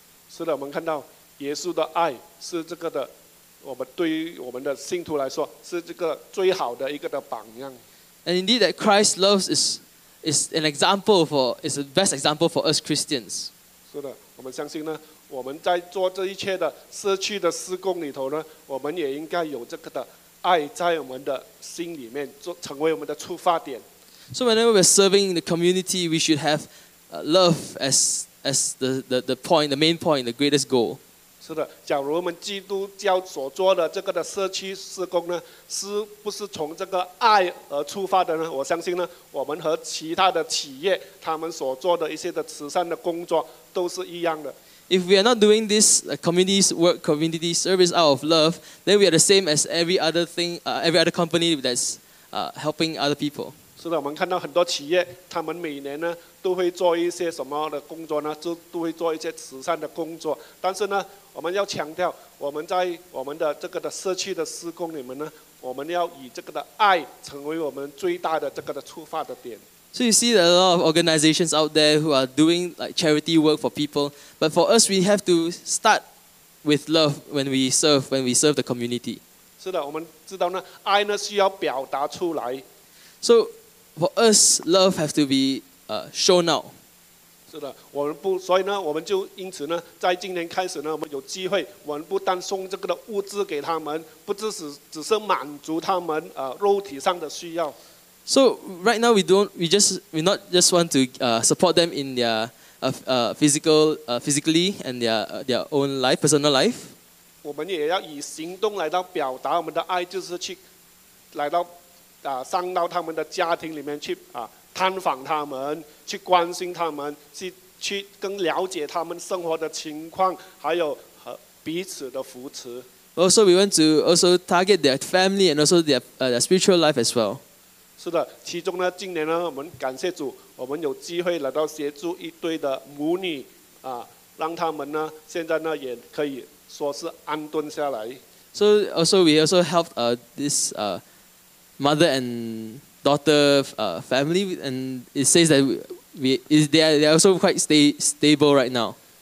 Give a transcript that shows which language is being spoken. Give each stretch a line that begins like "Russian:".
Chinese: 是的，我们看到耶稣的爱是这个的，我们对于我们的信徒来说是这个最好的一个的榜样。
English: And indeed, that Christ's love is the best example for us Christians.
Chinese: 是的，我们相信呢，我们在做这一切的社区的施工里头呢，我们也应该有这个的。爱在我们的心里面，成为我们的出发点。
English: So whenever we're serving the community, we should have love as the point, the main point, the greatest goal.
Chinese: 是的，假如我们基督教所做的这个的社区施工呢，是不是从这个爱而出发的呢？我相信呢，我们和其他的企业他们所做的一些的慈善的工作都是一样的。
English: If we are not doing this community's work, community service out of love, then we are the same as every other company that's helping other people.
Chinese: 是的，我们看到很多企业，他们每年呢都会做一些什么的工作呢？都会做一些慈善的工作。但是呢，我们要强调，我们在我们的这个的社区的施工里面呢，我们要以这个的爱成为我们最大的这个的出发的点。
English: So you see that a lot of organizations out there who are doing like charity work for people, but for us, we have to start with love when we serve the community.
Chinese: 是的，我们知道呢，爱呢需要表达出来。
English: So for us, love has to be shown out.
Chinese: 是的，我们不，所以呢，我们就因此呢，在今年开始呢，我们有机会，我们不单送这个的物资给他们，不只是满足他们肉体上的需要。
English: So right now we not just want to support them in their physically and their own life, personal life.
Chinese: 我们也要以行动来到表达我们的爱，就是去来到啊，上到他们的家庭里面去啊，探访他们，去关心他们，去更了解他们生活的情况，还有和彼此的扶持。
English: Also, we want to also target their family and also their spiritual life as well.
Chinese: 是的，其中呢，今年呢，我们感谢主，我们有机会来到协助一对的母女啊，让他们呢，现在呢，也可以说是安顿下来。
English: So also we also helped this mother and daughter family, and it says that they are also quite stable right now.